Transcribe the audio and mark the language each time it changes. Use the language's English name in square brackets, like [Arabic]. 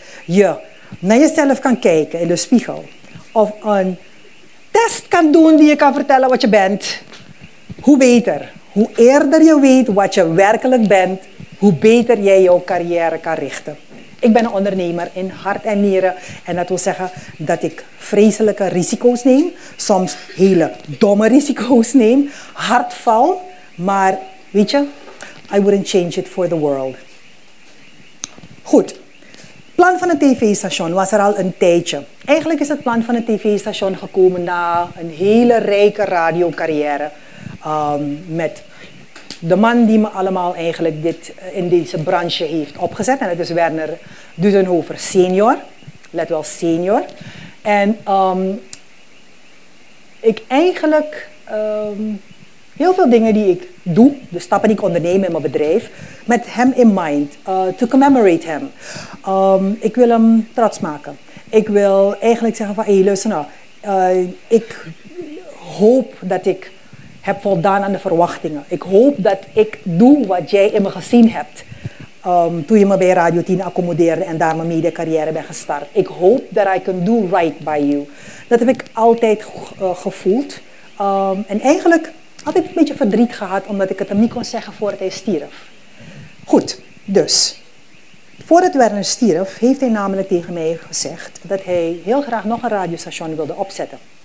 [Dutch] je naar jezelf kan kijken in de spiegel. Of een test kan doen die je kan vertellen wat je bent. Hoe beter. Hoe eerder je weet wat je werkelijk bent, hoe beter jij jouw carrière kan richten. Ik ben een ondernemer in hart en nieren. En dat wil zeggen dat ik vreselijke risico's neem. Soms hele domme risico's neem. Hard val. Maar weet je, [English] I wouldn't change it for the world. [Dutch] Goed. Plan van een tv-station was er al een tijdje. Eigenlijk is het plan van een tv-station gekomen na een hele rijke radiocarrière. Met de man die me allemaal eigenlijk dit in deze branche heeft opgezet. En dat is Werner Dusenhover senior. Let wel, senior. En ik eigenlijk... heel veel dingen die ik doe, de stappen die ik onderneem in mijn bedrijf, met hem [English] in mind, to commemorate him. [Dutch] Ik wil hem trots maken. Ik wil eigenlijk zeggen van, hey, luister nou, ik hoop dat ik heb voldaan aan de verwachtingen. Ik hoop dat ik doe wat jij in me gezien hebt, toen je me bij Radio 10 accommodeerde en daar mijn mediacarrière ben gestart. Ik hoop [English] that I can do right by you. [Dutch] Dat heb ik altijd gevoeld. En eigenlijk... had ik een beetje verdriet gehad, omdat ik het hem niet kon zeggen voordat hij stierf. Goed, dus. Voordat Werner stierf, heeft hij namelijk tegen mij gezegd dat hij heel graag nog een radiostation wilde opzetten.